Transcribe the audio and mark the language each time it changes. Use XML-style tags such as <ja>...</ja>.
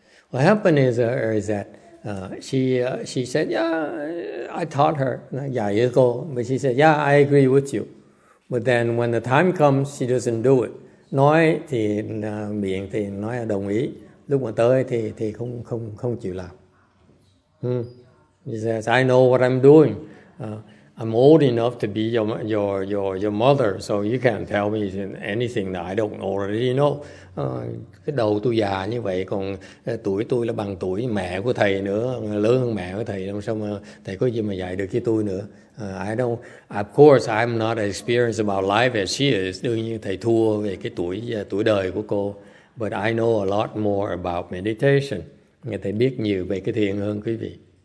<en>What happened is that she said, yeah, I taught her.</en> <vi>Dạy cô.</vi> <en>But she said, yeah, I agree with you. But then when the time comes, she doesn't do it.</en> <vi>Nói thì miệng thì nói là đồng ý. Lúc mà tới thì không chịu làm.</vi> <en>She says, I know what I'm doing. I'm old enough to be your mother, so you can't tell me anything that I don't already know.</en> <vi>Cái đầu tôi già như vậy, còn tuổi tôi là bằng tuổi mẹ của thầy nữa, lớn hơn mẹ của thầy, làm sao mà thầy có gì mà dạy được cho tôi nữa.</vi> <en>Of course, I'm not as experienced about life as she is.</en> <vi>Đương nhiên thầy thua về cái tuổi đời của cô.</vi> <en>But I know a lot more about meditation.</en> <vi>Nghe thầy biết nhiều về cái thiền hơn quý vị.</vi>